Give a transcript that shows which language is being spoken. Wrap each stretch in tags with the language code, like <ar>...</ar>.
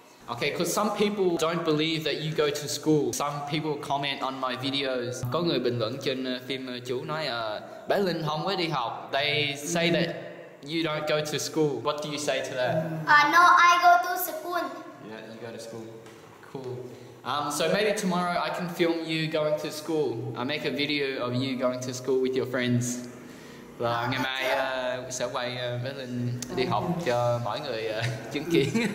<en>Okay, because some people don't believe that you go to school. Some people comment on my videos.</en> <vi>Có người bình luận trên phim chú nói bé Linh không có đi học.</vi> <en>They say that you don't go to school. What do you say to that? No, I go to school. Yeah, you go to school. Cool. So maybe tomorrow I can film you going to school. I make a video of you going to school with your friends.</en> <vi>Là ngày mai sẽ quay bé Linh đi học cho mọi người chứng kiến.</vi>